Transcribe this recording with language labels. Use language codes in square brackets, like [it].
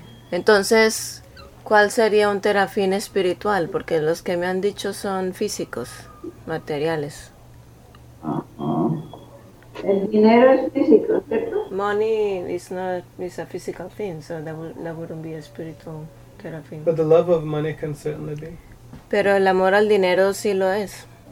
[es] Entonces, ¿cuál sería un terafín espiritual? Porque los que me han dicho son físicos, materiales. El dinero es físico, ¿cierto? [en] Money is not, is a physical thing, so that wouldn't be a spiritual terafín. But the love of money can certainly be. [es] Pero el amor al dinero sí lo es.